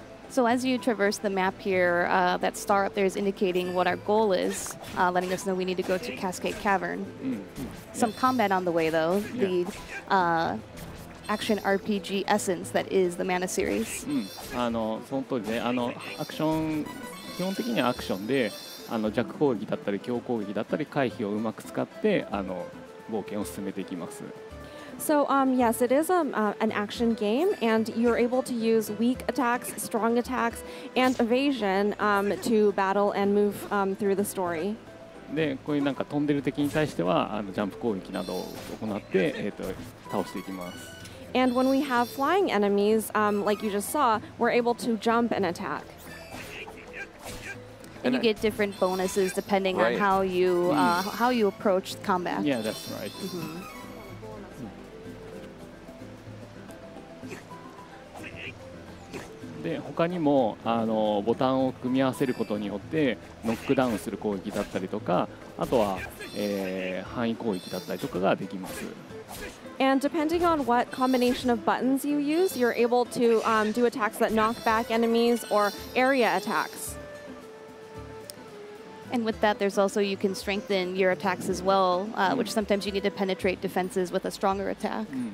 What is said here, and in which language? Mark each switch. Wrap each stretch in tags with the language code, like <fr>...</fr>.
<en>So as you traverse the map here, that star up there is indicating what our goal is, letting us know we need to go to Cascade Cavern. Some combat on the way though, the action RPG essence that is the Mana series.</en> <ja>あの、その通りで、あの、アクション、基本的にはアクションで、あの、弱攻撃だったり強攻撃だったり回避をうまく使って、あの、冒険を進めていきます。</ja> <en>So, yes, it is an action game, and you're able to use weak attacks, strong attacks, and evasion to battle and move through the story.</en> <ja>で、こういうなんか飛んでる敵に対しては、あの、ジャンプ攻撃などを行って、倒していきます。</ja> <en>And when we have flying enemies, like you just saw, we're able to jump and attack. And you get different bonuses depending on how you approach combat. Yeah, that's right.</en> <ja>で、他にもあのボタンを組み合わせることによってノックダウンする攻撃だったりとか、あとは、範囲攻撃だったりとかができます。</ja> <en>And depending on what combination of buttons you use, you're able to do attacks that knock back enemies or area attacks. And with that, there's also you can strengthen your attacks as well, which sometimes you need to penetrate defenses with a stronger attack.</en>